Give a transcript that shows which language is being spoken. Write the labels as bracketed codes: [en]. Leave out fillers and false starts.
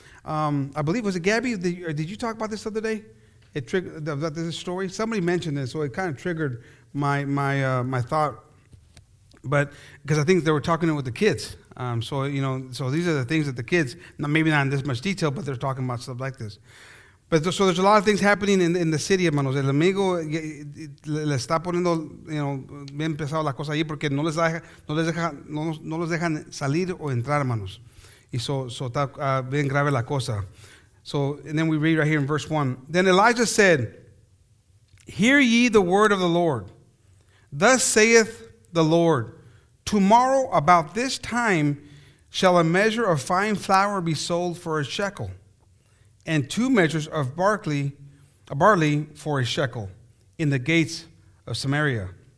[en] I believe, was it Gabby? Did you talk about this the other day? It triggered that this story. Somebody mentioned this, so it kind of triggered my thought. But because I think they were talking with the kids, so these are the things that the kids, maybe not in this much detail, but they're talking about stuff like this. But so there's a lot of things happening in the city, hermanos. [es] El amigo le está poniendo, bien pesado la cosa allí porque no les deja salir o entrar, hermanos. Y so está bien grave la cosa. [en] So, and then we read right here in verse 1. Then Elijah said, "Hear ye the word of the Lord. Thus saith the Lord, tomorrow about this time shall a measure of fine flour be sold for a shekel, and two measures of barley for a shekel in the gates of Samaria.